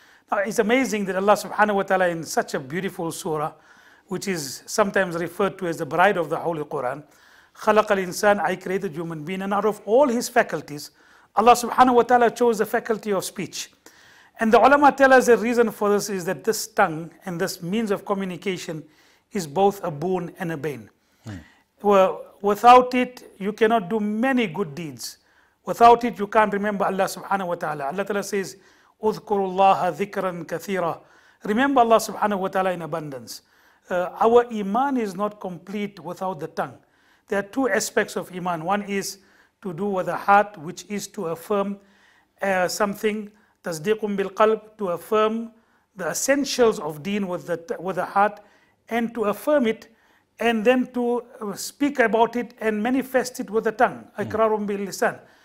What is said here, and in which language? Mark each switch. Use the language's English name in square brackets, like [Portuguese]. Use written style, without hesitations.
[English] Now, it's amazing that Allah subhanahu wa ta'ala, in such a beautiful surah, which is sometimes referred to as the bride of the Holy Quran, [Arabic] خلق الإنسان, [English] I created human being, and out of all his faculties, Allah subhanahu wa ta'ala chose the faculty of speech. And the ulama tell us the reason for this is that this tongue and this means of communication is both a boon and a bane. Mm. Well, without it, you cannot do many good deeds. Without it, you can't remember Allah subhanahu wa ta'ala. Allah ta'ala says, [Arabic] اذكروا الله ذكرا كثيرا. [English] Remember Allah subhanahu wa ta'ala in abundance. Our iman is not complete without the tongue. There are two aspects of iman. One is to do with the heart, which is to affirm something, [Arabic] tasdiqum bil qalb, [English] to affirm the essentials of deen with the heart, and to affirm it, and then to speak about it and manifest it with the tongue, [Arabic] ikrarum bil lisan.